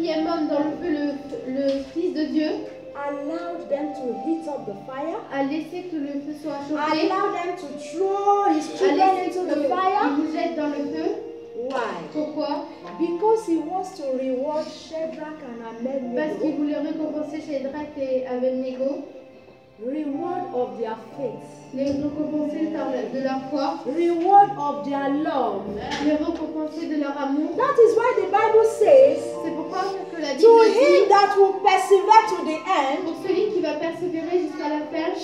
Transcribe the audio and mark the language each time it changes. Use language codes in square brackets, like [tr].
[fr] quatrième homme dans le feu, le Fils de Dieu. [en] Allowed them to heat up the fire. [fr] A laissé que le feu soit chauffé. [en] Allowed them to throw his children into the fire. [fr] Il vous jette dans le feu. [en] Why? [fr] Pourquoi? [en] Because he wants to reward Shadrach and Abednego. [fr] Parce qu'il voulait récompenser Shadrach et Abednego. [en] Reward of their faith. [fr] Les récompenser de leur foi. [en] Reward of their love. [fr] Les récompenser de leur amour. [en] That is why the Bible says. [fr] C'est pourquoi que la Bible dit. [en] To him that will persevere to the end. [fr] Pour celui qui va persévérer jusqu'à la fin.